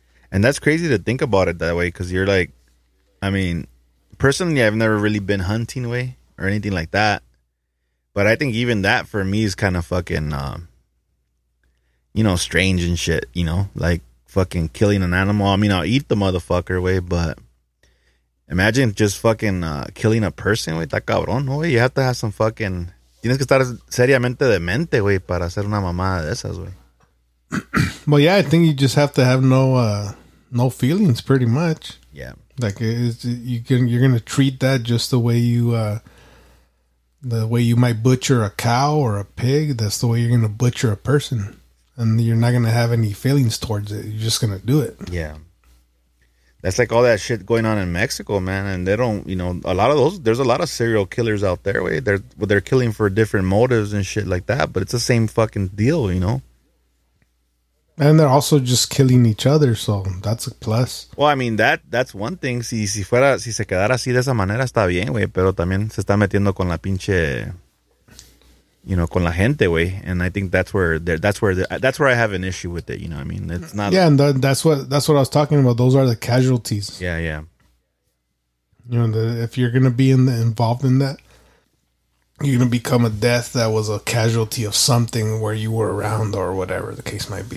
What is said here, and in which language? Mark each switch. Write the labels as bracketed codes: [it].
[en] And that's crazy to think about it that way, because you're like, I mean, personally, I've never really been hunting way or anything like that. But I think even that for me is kind of fucking, you know, strange and shit, you know, like fucking killing an animal. I mean, I'll eat the motherfucker way, but imagine just fucking killing a person with that cabrón, way. You have to have some fucking... [es] Tienes que estar seriamente demente, güey, para hacer una mamada de esas, güey. [en] Well, yeah, I think you just have to have no feelings, pretty much. Yeah, like you're gonna treat that just the way you might butcher a cow or a pig. That's the way you're gonna butcher a person, and you're not gonna have any feelings towards it. You're just gonna do it. Yeah, that's like all that shit going on in Mexico, man. And they don't, you know, a lot of those. There's a lot of serial killers out there. Way they're killing for different motives and shit like that. But it's the same fucking deal, you know. And they're also just killing each other, so that's a plus. Well, I mean, that's one thing. [es] Si se quedara así de esa manera, está bien, güey. Pero también se está metiendo con la pinche, [en] you know, [es] con la gente, güey. [en] And I think that's where I have an issue with it. You know, I mean, it's not. Yeah, and that's what I was talking about. Those are the casualties. Yeah, yeah. You know, if you're gonna be involved in that, you're going to become a death that was a casualty of something where you were around or whatever the case might be.